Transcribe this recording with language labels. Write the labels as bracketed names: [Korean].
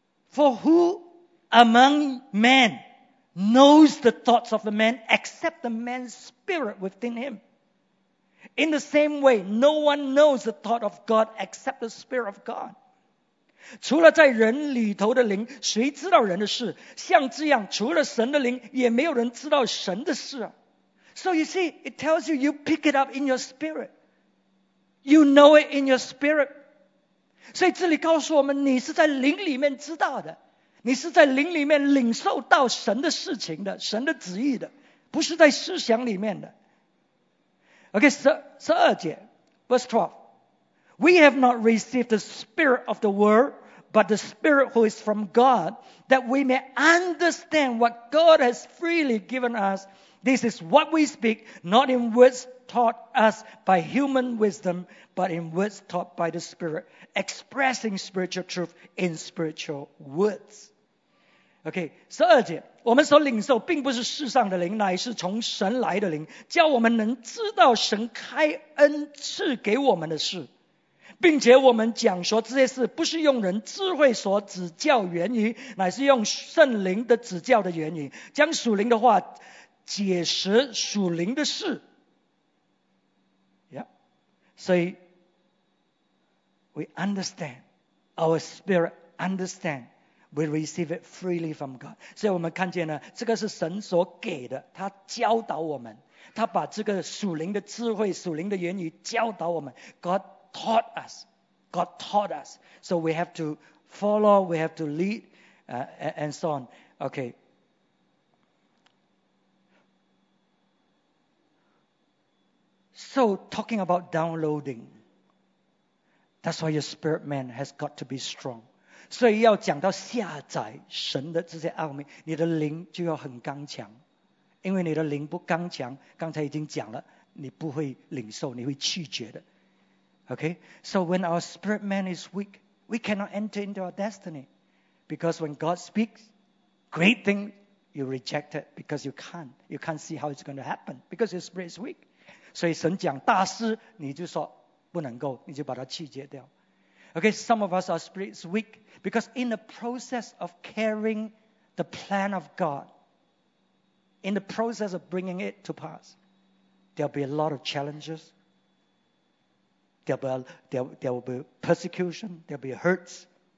[English] For who among men knows the thoughts of a man except the man's spirit within him? In the same way, no one knows the thought of God except the spirit of God. [Chinese] 除了在人里头的灵，谁知道人的事？像这样，除了神的灵，也没有人知道神的事啊。 [English] So you see, it tells you, you pick it up in your spirit. You know it in your spirit. [Chinese] 所以这里告诉我们，你是在灵里面知道的，你是在灵里面领受到神的事情的，神的旨意的，不是在思想里面的。 [English] Okay, [Chinese] 12节 [English] verse 12。 We have not received the spirit of the world, but the spirit who is from God, that we may understand what God has freely given us. This is what we speak, not in words taught us by human wisdom, but in words taught by the spirit, expressing spiritual truth in spiritual words. Okay, [Chinese] 12节，我们所领受并不是世上的灵，乃是从神来的灵，叫我们能知道神开恩赐给我们的事。并且我们讲说这些事不是用人智慧所指教言语，乃是用圣灵的指教的言语，将属灵的话解释属灵的事。 [English] Yeah. So we understand, our spirit understand, we receive it freely from God. [Chinese] 所以我们看见呢，这个是神所给的，他教导我们，他把这个属灵的智慧、属灵的言语教导我们。 [English] God taught us. So we have to follow, we have to lead, and so on. Okay. So talking about downloading, that's why your spirit man has got to be strong. [Chinese] 所以要讲到下载神的这些奥秘，你的灵就要很刚强。因为你的灵不刚强，刚才已经讲了，你不会领受，你会拒绝的。 [English] Okay? So when our spirit man is weak, we cannot enter into our destiny. Because when God speaks, great thing, you reject it because you can't. You can't see how it's going to happen because your spirit is weak. [Chinese] 所以神讲大事，你就说不能够，你就把它拒绝掉。 [English] Okay, some of us, our spirit is weak because in the process of carrying the plan of God, in the process of bringing it to pass, there'll be a lot of challenges. There will be persecution. There'll be hurts.